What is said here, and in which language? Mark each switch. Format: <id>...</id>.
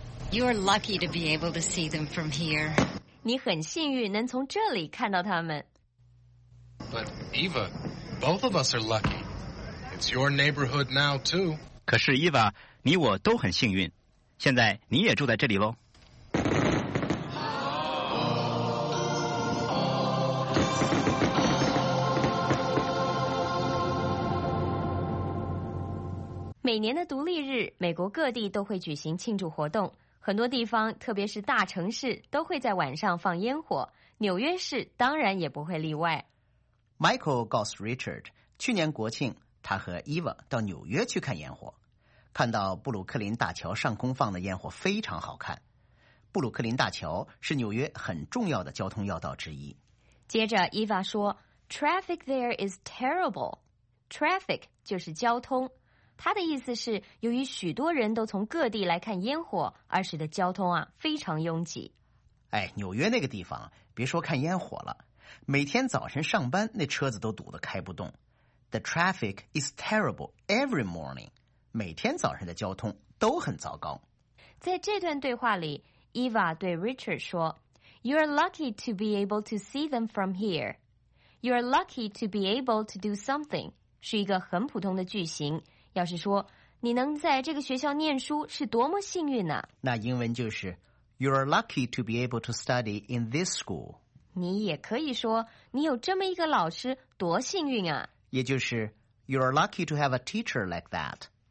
<en>You're lucky to be able to see them from here.</en> <zh>你很幸运能从这里看到他们。</zh> <en>But Eva, both of us are lucky. It's your neighborhood now too.</en> <zh>可是伊娃，你我都很幸运。现在你也住在这里喽。每年的独立日，美国各地都会举行庆祝活动，很多地方特别是大城市都会在晚上放烟火，纽约市当然也不会例外。 Michael 告诉 Richard， 去年国庆他和 Eva 到纽约去看烟火，看到布鲁克林大桥上空放的烟火非常好看。布鲁克林大桥是纽约很重要的交通要道之一。接着伊娃说</zh> <en>Traffic there is terrible.</en> <zh>Traffic 就是交通，它的意思是由于许多人都从各地来看烟火而使得交通非常拥挤。哎，纽约那个地方别说看烟火了，每天早晨上班那车子都堵得开不动。</zh> <en>The traffic is terrible every morning.</en> <zh>每天早上的交通都很糟糕。在这段对话里， Eva 对 Richard 说</zh> <en>You're lucky to be able to see them from here. You're lucky to be able to do something</en> <zh>是一个很普通的句型，要是说你能在这个学校念书是多么幸运呢，那英文就是</zh> <en>You're lucky to be able to study in this school.</en> <zh>你也可以说你有这么一个老师多幸运啊，也就是</zh> <en>You're lucky to have a teacher like that.</en>